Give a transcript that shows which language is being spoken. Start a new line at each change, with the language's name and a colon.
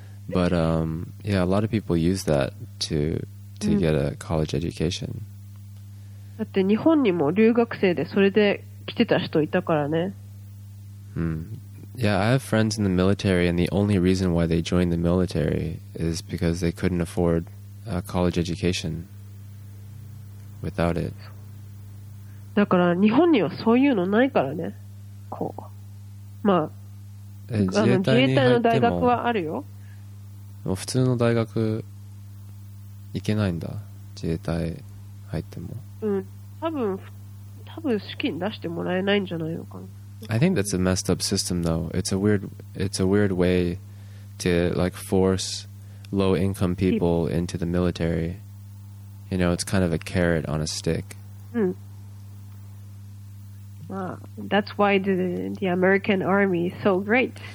English: But yeah, a lot of people use that to get a college education.
Japanese: だって日本にも留学生でそれで来てた人いたからね。
English: Yeah, I have friends in the military, and the only reason why they joined the military is because they couldn't afford a college education. without it.
Japanese: だから日本にはそういうのないからね。こう、まあ、自衛隊の大学はあるよ。もう普通の大学行けないんだ。自衛隊入っても。うん、多分資金出してもらえないんじゃないのかな。
English: I think that's a messed up system, though. It's a weird way to like force low income people into the military. You know, it's kind of a carrot on a stick.
Japanese: うん。
English: That's why the American army is so great.